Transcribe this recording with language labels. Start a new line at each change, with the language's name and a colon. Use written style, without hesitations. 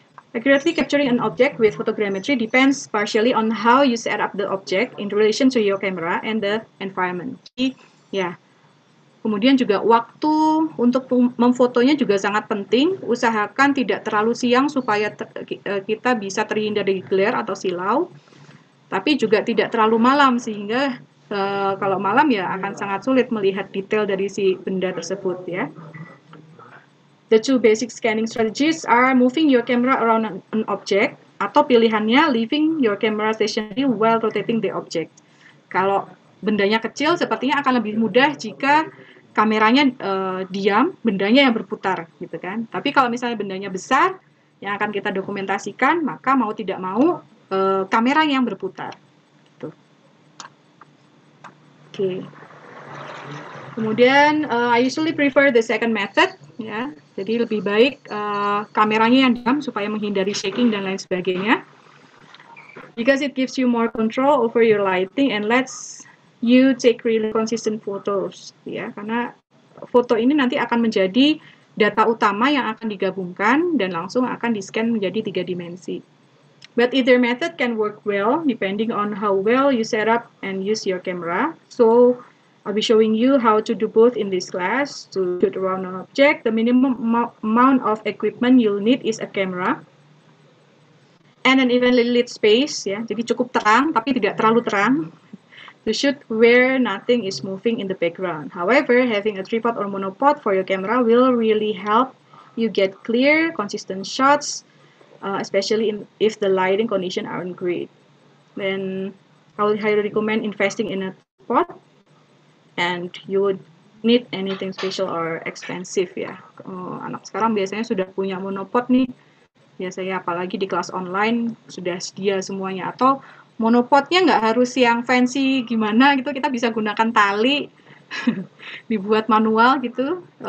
English: Accurately capturing an object with photogrammetry depends partially on how you set up the object in relation to your camera and the environment.
Indonesian: Jadi, ya. Kemudian juga waktu untuk memfotonya juga sangat penting. Usahakan tidak terlalu siang supaya kita bisa terhindar dari glare atau silau. Tapi juga tidak terlalu malam sehingga kalau malam ya akan sangat sulit melihat detail dari si benda tersebut ya.
English: The two basic scanning strategies are moving your camera around an object
Indonesian: atau pilihannya
English: leaving your camera stationary while rotating the object.
Indonesian: Kalau bendanya kecil, sepertinya akan lebih mudah jika kameranya diam, bendanya yang berputar, gitu kan. Tapi kalau misalnya bendanya besar yang akan kita dokumentasikan, maka mau tidak mau kamera yang berputar.
English: Gitu. Oke. Okay. Kemudian I usually prefer the second method, ya.
Indonesian: Jadi lebih baik kameranya yang diam supaya menghindari shaking dan lain sebagainya.
English: Because it gives you more control over your lighting and lets you take really consistent photos.
Indonesian: Ya, karena foto ini nanti akan menjadi data utama yang akan digabungkan dan langsung akan di-scan menjadi 3 dimensi.
English: But either method can work well depending on how well you set up and use your camera. So, I'll be showing you how to do both in this class. To shoot around an object, the minimum amount of equipment you'll need is a camera and an evenly lit space, ya.
Indonesian: Jadi cukup terang, tapi tidak terlalu terang.
English: To shoot where nothing is moving in the background. However, having a tripod or monopod for your camera will really help you get clear, consistent shots, especially if the lighting condition aren't great. Then, I would highly recommend investing in a tripod. And you would need anything special or expensive ya.
Indonesian: Oh, anak sekarang biasanya sudah punya monopod nih. Biasanya apalagi di kelas online sudah sedia semuanya. Atau monopodnya nggak harus yang fancy gimana gitu. Kita bisa gunakan tali dibuat manual gitu.